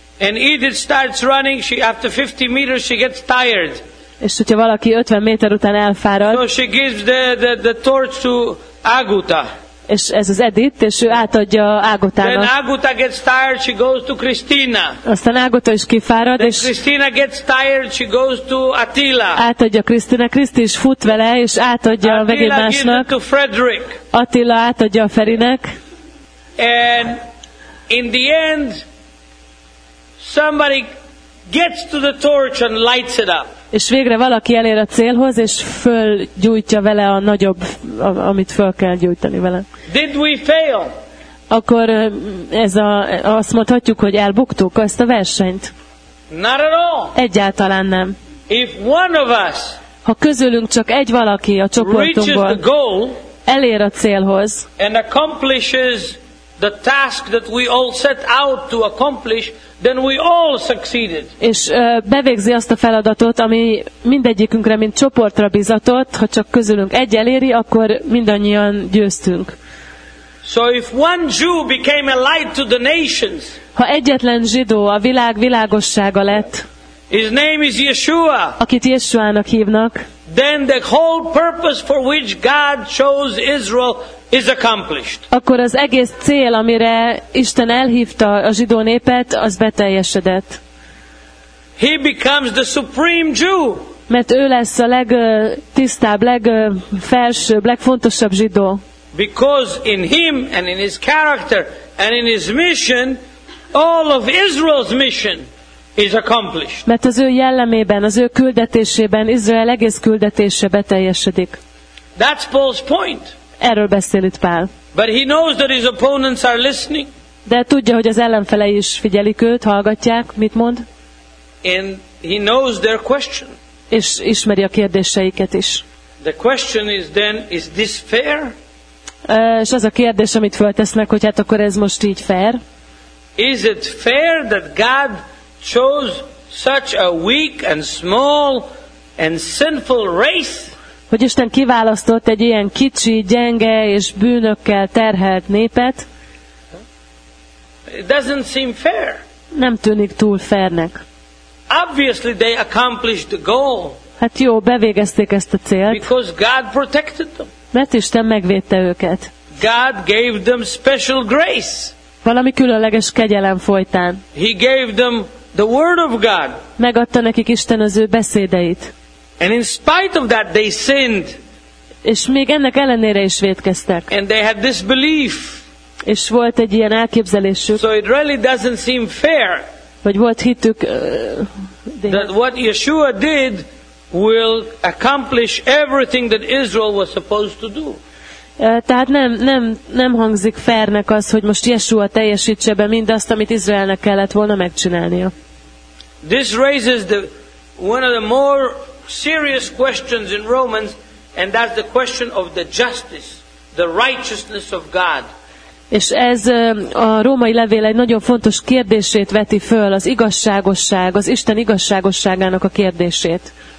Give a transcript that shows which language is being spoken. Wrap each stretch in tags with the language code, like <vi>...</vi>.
<en>And Edith starts running, she after 50 meters she gets tired.</en> <hu>És hogyha valaki 50 méter után elfárad.</hu> <en>So she gives the torch to Aguta.</en> <hu>És ez az Edith, és ő átadja Ágotának.</hu> <en>Then Aguta gets tired, she goes to Christina.</en> <hu>Aztán Ágota is kifárad,</hu> <en>then</en> <hu>és</hu> <en>Christina gets tired, she goes to Attila.</en> <hu>Átadja Krisztina, Kriszti is fut vele, és átadja Attila a vegyén másnak.</hu> <en>To Frederick.</en> <hu>Attila átadja a Ferinek.</hu> <en>And in the end, somebody gets to the torch and lights it up.</en> <hu>És végre valaki elér a célhoz, és fölgyújtja vele a nagyobb, amit föl kell gyújtani vele.</hu> <en>Did we fail?</en> <hu>Akkor azt mondhatjuk, hogy elbuktuk ezt a versenyt.</hu> <en>Not at all.</en> <hu>Egyáltalán nem.</hu> <en>If one of us,</en> <hu>ha közülünk csak egy valaki a csoportunkból</hu> <en>reaches the goal,</en> <hu>elér a célhoz,</hu> <en>and accomplishes the task that we all set out to accomplish, then we all succeeded.</en> <hu>És bevégzi azt a feladatot, ami mindegyikünkre, mint csoportra bizatott, ha csak közülünk egy eléri, akkor mindannyian győztünk.</hu> <en>So if one Jew became a light to the nations,</en> <hu>ha egyetlen zsidó a világ világossága lett,</hu> <en>his name is Yeshua,</en> <hu>akit Jeshuának hívnak,</hu> <en>then the whole purpose for which God chose Israel is accomplished.</en> <hu>Akkor az egész cél, amire Isten elhívta a zsidó népet, az beteljesedett.</hu> <en>He becomes the supreme Jew.</en> <hu>Mert ő lesz a legtisztább, legfelsőbb, legfontosabb zsidó.</hu> <en>Because in him and in his character and in his mission, all of Israel's mission is accomplished.</en> <hu>Mert az ő jellemében, az ő küldetésében Izrael egész küldetése beteljesedik.</hu> <en>That's Paul's point.</en> <hu>Erről beszél itt Pál.</hu> <en>But he knows that his opponents are listening.</en> <hu>De tudja, hogy az ellenfelei is figyelik őt, hallgatják, mit mond.</hu> <en>And he knows their question.</en> <hu>És ismeri a kérdéseiket is.</hu> <en>The question is then, is this fair?</en> <hu>És az a kérdés, amit föltesznek, hogy hát akkor ez most így fair?</hu> <en>Is it fair that God chose such a weak and small and sinful race?</en> <hu>Hogy Isten kiválasztott egy ilyen kicsi, gyenge és bűnökkel terhelt népet?</hu> <en>It doesn't seem fair.</en> <hu>Nem tűnik túl fairnek.</hu> <en>Obviously they accomplished the goal.</en> <hu>Hát jó, bevégezték ezt a célt.</hu> <en>Because God protected them.</en> <hu>Mert Isten megvédte őket.</hu> <en>God gave them special grace.</en> <hu>Valami különleges kegyelem folytán.</hu> <en>He gave them the word of God.</en> <hu>Megadta nekik Isten az ő beszédeit.</hu> <en>And in spite of that they sinned.</en> <hu>És még ennek ellenére is vétkeztek.</hu> <en>And they had this belief.</en> <hu>És volt egy ilyen elképzelésük.</hu> <en>So it really doesn't seem fair.</en> <hu>Vagy volt hitük.</hu> <en>That what Yeshua did will accomplish everything that Israel was supposed to do.</en> <hu>Tehát nem hangzik fairnek az, hogy most Yeshua teljesítse be mindazt, amit Izraelnek kellett volna megcsinálnia.</hu> <en>This raises the one of the more serious questions in Romans, and that's the question of the justice, the righteousness of God.</en> <hu>És ez a római levél egy nagyon fontos kérdését veti föl, az igazságosság, az Isten igazságosságának a kérdését.</hu>